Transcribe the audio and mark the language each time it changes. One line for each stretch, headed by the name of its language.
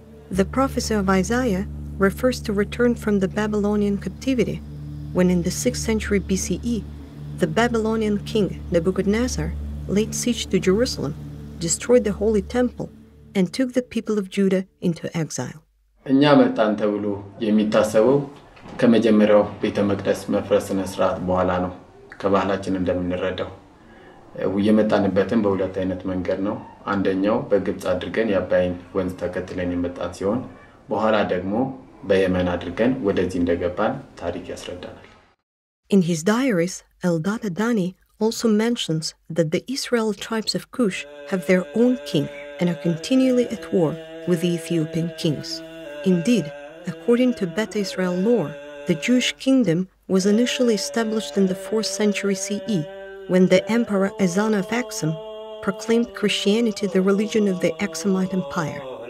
English: The prophecy of Isaiah refers to return from the Babylonian captivity, when in the 6th century BCE, the Babylonian king Nebuchadnezzar laid siege to Jerusalem, destroyed the Holy Temple, and took the people of Judah into exile.
Amharic: እኛ መጣን ተብሎ የሚታሰበው ከመጀመሪያው ቤተ መቅደስ መፍረስን ስርዓት በኋላ ነው ከባህላችን እንደምንረዳው የመጣንበትን በሁለት አይነት መንገድ ነው አንደኛው በግብጽ አድርገን ያባይን ወንዝ ተከትለን የመጣን ሲሆን በኋላ ደግሞ በየመን አድርገን ወደዚህ እንደገባን ታሪክ ያስረዳናል
English: In his diaries Eldad Haddani also mentions that the Israel tribes of Cush have their own king and are continually at war with the Ethiopian kings Indeed according to Beta Israel lore the Jewish kingdom was initially established in the 4th century CE when the emperor Ezana of Aksum proclaimed Christianity the religion of the Aksumite Empire.